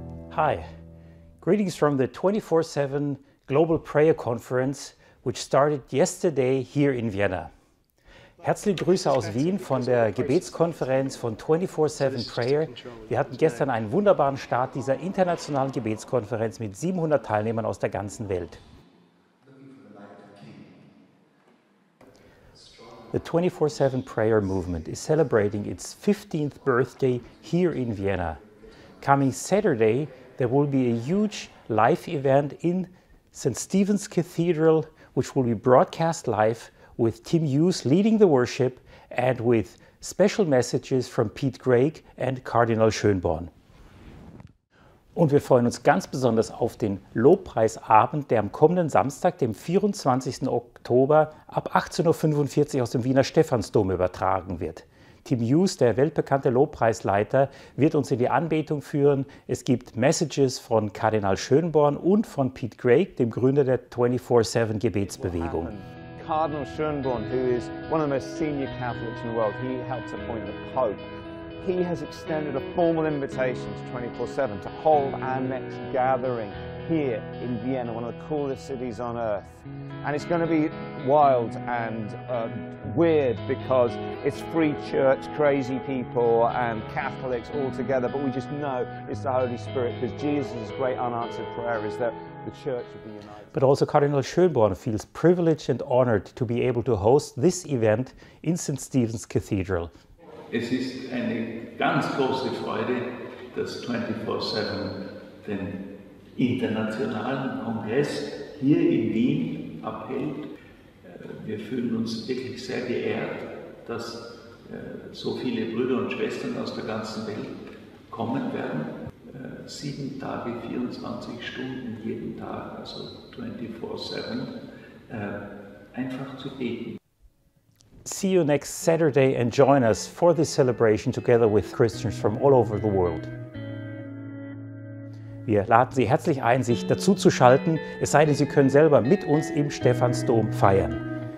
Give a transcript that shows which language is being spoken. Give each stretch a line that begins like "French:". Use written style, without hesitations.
English: Hi, greetings from the 24/7 Global Prayer Conference, which started yesterday here in Vienna.
German: Herzliche Grüße aus Wien von der Gebetskonferenz von 24/7 Prayer. Wir hatten gestern einen wunderbaren Start dieser internationalen Gebetskonferenz mit 700 Teilnehmern aus der ganzen Welt.
English: The 24/7 Prayer Movement is celebrating its 15th birthday here in Vienna. Coming Saturday, there will be a huge live event in St. Stephen's Cathedral, which will be broadcast live with Tim Hughes leading the worship and with special messages from Pete Greig and Cardinal Schönborn.
German: Und wir freuen uns ganz besonders auf den Lobpreisabend, der am kommenden Samstag, dem 24. Oktober ab 18.45 Uhr aus dem Wiener Stephansdom übertragen wird. Tim Hughes, der weltbekannte Lobpreisleiter, wird uns in die Anbetung führen. Es gibt Messages von Kardinal Schönborn und von Pete Greig, dem Gründer der 24/7 Gebetsbewegung.
English: Cardinal Schönborn, who is one of the most senior Catholics in the world, he helps appoint the Pope. He has extended a formal invitation to 24/7 to hold our next gathering here in Vienna, one of the coolest cities on earth. And it's going to be wild and weird because it's free church, crazy people and Catholics all together, but we just know it's the Holy Spirit because Jesus' great unanswered prayer is that the church will be united. But also Cardinal Schönborn feels privileged and honored to be able to host this event in St. Stephen's Cathedral.
German: Es ist eine ganz große Freude, dass 24/7 den internationalen Kongress hier in Wien abhält. Wir fühlen uns wirklich sehr geehrt, dass so viele Brüder und Schwestern aus der ganzen Welt kommen werden. 7 Tage, 24 Stunden jeden Tag, also 24/7, einfach zu beten.
English: See you next Saturday and join us for this celebration together with Christians from all over the world.
German: Wir laden Sie herzlich ein, sich dazuzuschalten, es sei denn, Sie können selber mit uns im Stephansdom feiern.